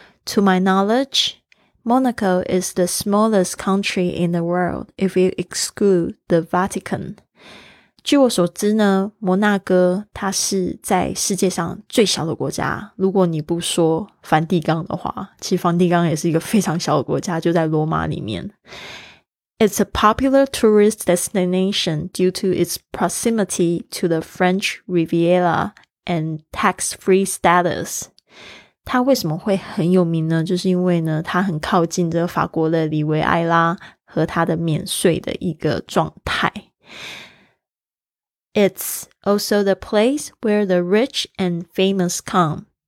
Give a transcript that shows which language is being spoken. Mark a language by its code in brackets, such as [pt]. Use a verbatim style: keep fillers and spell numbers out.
[en] To my knowledge, Monaco is the smallest country in the world if you exclude the Vatican. [zh] 据我所知呢，摩纳哥它是在世界上最小的国家，如果你不说梵蒂冈的话，其实梵蒂冈也是一个非常小的国家，就在罗马里面。 [en] It's a popular tourist destination due to its proximity to the French Riviera and tax-free status. [zh] 它为什么会很有名呢？就是因为呢，它很靠近这法国的里维埃拉和它的免税的一个状态。 [en] It's also the place where the rich and famous come.